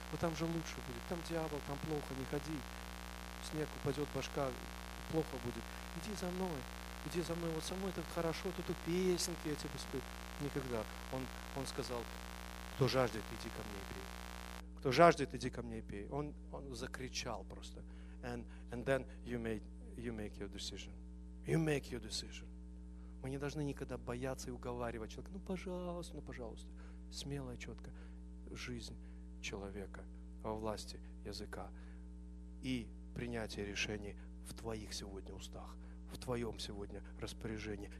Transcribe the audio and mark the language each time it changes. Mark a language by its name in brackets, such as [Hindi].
[Russian] Вот там же лучше будет. Там дьявол, там плохо, не ходи. Снег упадет, башка, плохо будет. Иди за мной. Иди за мной. Вот со мной это хорошо, тут песенки я тебе спою. Никогда. Он сказал, кто жаждет, иди ко мне и пей. Кто жаждет, иди ко мне и пей. Он закричал просто. [English] And then you make your decision. You make your decision. [Russian] Мы не должны никогда бояться и уговаривать человека. Ну, пожалуйста, ну, пожалуйста. Смело и четко. Жизнь человека во власти языка. И принятие решений в твоих сегодня устах, в твоем сегодня распоряжении.